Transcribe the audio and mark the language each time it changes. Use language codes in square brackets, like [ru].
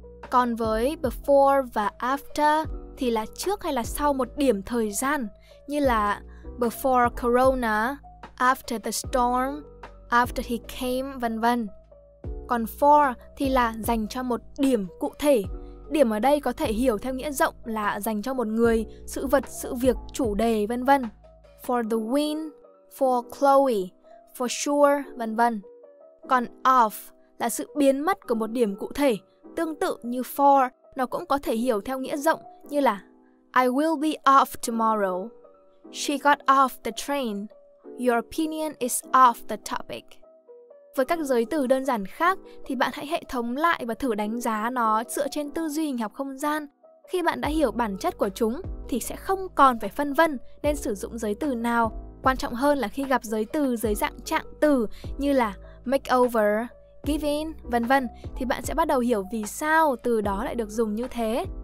[vi] Còn với before và after thì là trước hay là sau một điểm thời gian như là before corona, [en] after the storm, after he came, [vi] v.v. Còn for thì là dành cho một điểm cụ thể. Điểm ở đây có thể hiểu theo nghĩa rộng là dành cho một người, sự vật, sự việc, chủ đề, v.v. For the win, for Chloe, for sure, vân vân. Còn off là sự biến mất của một điểm cụ thể, tương tự như for, nó cũng có thể hiểu theo nghĩa rộng như là [en] I will be off tomorrow. She got off the train. Your opinion is off the topic. [vi] Với các giới từ đơn giản khác thì bạn hãy hệ thống lại và thử đánh giá nó dựa trên tư duy hình học không gian. Khi bạn đã hiểu bản chất của chúng thì sẽ không còn phải phân vân nên sử dụng giới từ nào. Quan trọng hơn là khi gặp giới từ dưới dạng trạng từ như là make over, give in, vân vân thì bạn sẽ bắt đầu hiểu vì sao từ đó lại được dùng như thế.